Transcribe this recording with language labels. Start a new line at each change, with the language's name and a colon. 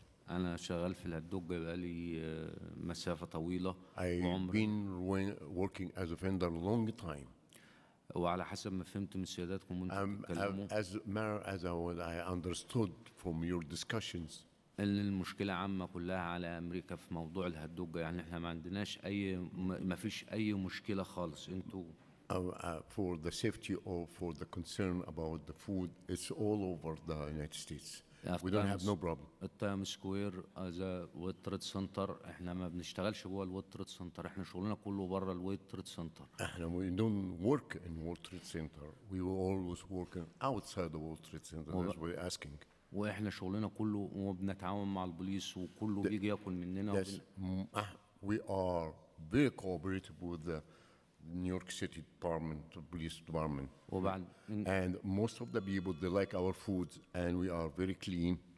Arabic: أنا شغال في الهدوج بقالي مسافة طويلة.
English: I've been working as a vendor a long time.
Arabic: وعلى حسب ما فهمت من سيادتكم وانتم تتكلموا
English: as I understood from your discussions
Arabic: ان المشكله عامه كلها على امريكا في موضوع الهدوج يعني احنا ما عندناش اي ما فيش اي مشكله خالص انتوا
English: for the safety or for the concern about the food it's all over the United States we don't have no problem
Arabic: التايم سكوير از ووترد سنتر احنا ما بنشتغلش جوه الووترد سنتر احنا شغلنا كله بره الووترد سنتر احنا
English: we don't work in watered center we were always working outside the watered center as we're asking
Arabic: واحنا شغلنا كله وبنتعاون مع البوليس وكله بيجي ياكل مننا
English: we are very cooperative with the New York City Department, Police Department. And most of the people, they like our food, and we are very clean.